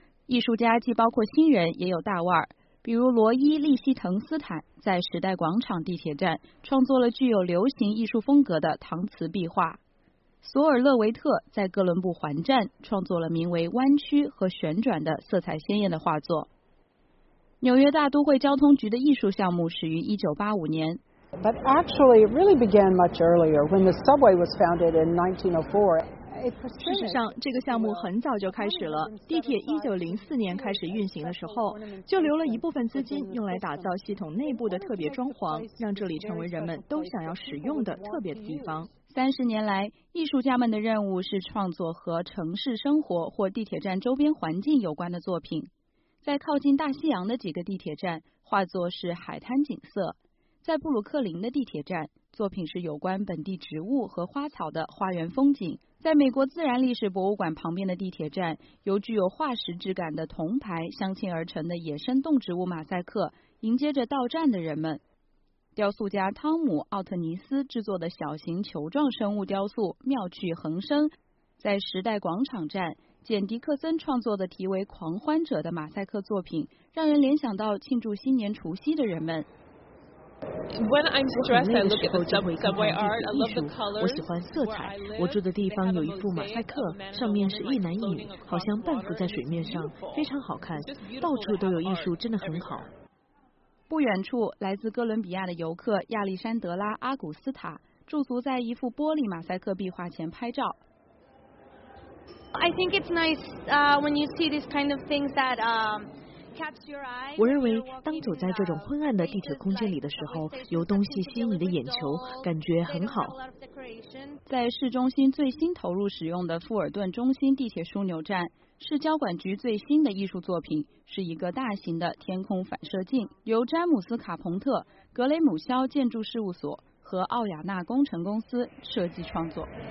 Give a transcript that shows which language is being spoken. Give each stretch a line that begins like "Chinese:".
Chinese: 艺术家既包括新人也有大腕，比如罗伊·利希滕斯坦在时代广场地铁站创作了具有流行艺术风格的搪瓷壁画，索尔勒维特在哥伦布环站创作了名为弯曲和旋转的色彩鲜艳的画作。纽约大都会交通局的艺术项目始于1985年。
English: But actually it really began much earlier when the subway was founded in 1904.
Chinese: 事实上，这个项目很早就开始了。地铁1904年开始运行的时候，就留了一部分资金用来打造系统内部的特别装潢，让这里成为人们都想要使用的特别的地方。 30年来，艺术家们的任务是创作和城市生活或地铁站周边环境有关的作品。在靠近大西洋的几个地铁站，画作是海滩景色；在布鲁克林的地铁站，作品是有关本地植物和花草的花园风景。在美国自然历史博物馆旁边的地铁站，由具有化石质感的铜牌镶嵌而成的野生动植物马赛克迎接着到站的人们。雕塑家汤姆·奥特尼斯制作的小型球状生物雕塑妙趣横生，在时代广场站，简·迪克森创作的题为《狂欢者》的马赛克作品让人联想到庆祝新年除夕的人们。
English: When I'm stressed, I look at the subway art. I love the colors.
Chinese: 我喜欢色彩。我住的地方有一幅马赛克，上面是一男一女，好像半浮在水面上，非常好看。到处都有艺术，真的很好。不远处，来自哥伦比亚的游客亚历山德拉·阿古斯塔驻足在一幅玻璃马赛克壁画前拍照。
English: I think it's nice when you see these kind of things that catch your eye.
Chinese: 我认为当走在这种昏暗的地铁空间里的时候，有东西吸引你的眼球，感觉很好。在市中心最新投入使用的富尔顿中心地铁枢纽站，市交管局最新的艺术作品是一个大型的天空反射镜，由詹姆斯·卡彭特、格雷姆·肖建筑事务所和奥亚纳工程公司设计创作。